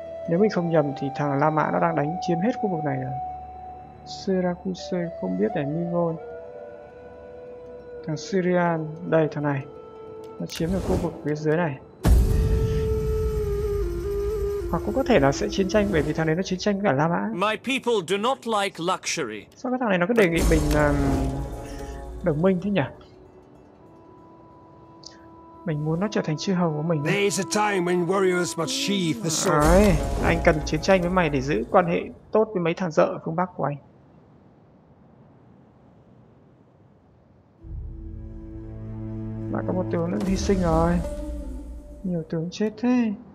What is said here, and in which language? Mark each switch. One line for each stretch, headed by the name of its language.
Vietnamese: Nếu mình không nhầm thì thằng La Mã nó đang đánh chiếm hết khu vực này rồi. Syracuse không biết để Migon. Thằng Syrian, đây thằng này. Nó chiếm được khu vực phía dưới này. Hoặc cũng có thể là sẽ chiến tranh bởi vì thằng này nó chiến tranh với cả La Mã.
English: My people do not like luxury.
Vietnamese: Sao cái thằng này nó cứ đề nghị mình đồng minh thế nhỉ? Mình muốn nó trở thành chư hầu của mình.
English: There is a time when warriors must sheathe the sword.
Vietnamese: Đấy, anh cần chiến tranh với mày để giữ quan hệ tốt với mấy thằng dợ ở phương Bắc của anh. Đã có một tướng nữa hy sinh rồi. Nhiều tướng chết thế.